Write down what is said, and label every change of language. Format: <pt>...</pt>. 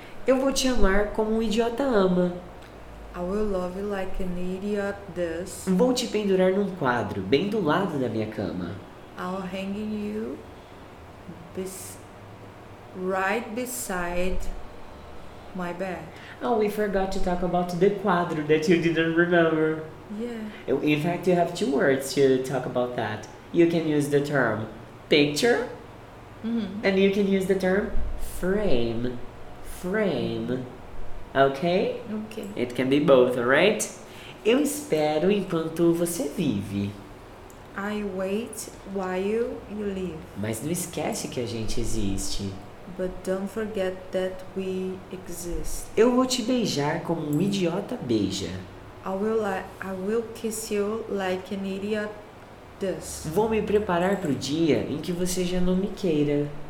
<pt>Eu vou te amar como um idiota ama.</pt> <en>I will love you like an idiot does.</en> <pt>Vou te pendurar num quadro, bem do lado da minha cama.</pt> <en>I'll hang you right beside my bed. Oh, we forgot to talk about the quadro that you didn't remember. Yeah. In fact, you have two words to talk about that. You can use the term picture, mm-hmm. and you can use the term frame. Frame. Okay? Okay. It can be both, alright?</en> <pt>Eu espero enquanto você vive.</pt> <en>I wait while you live.</en> <pt>Mas não esquece que a gente existe.</pt> <en>But don't forget that we exist.</en> <pt>Eu vou te beijar como um idiota beija.</pt> <en>I will kiss you like an idiot does.</en> <pt>Vou me preparar pro dia em que você já não me queira.</pt>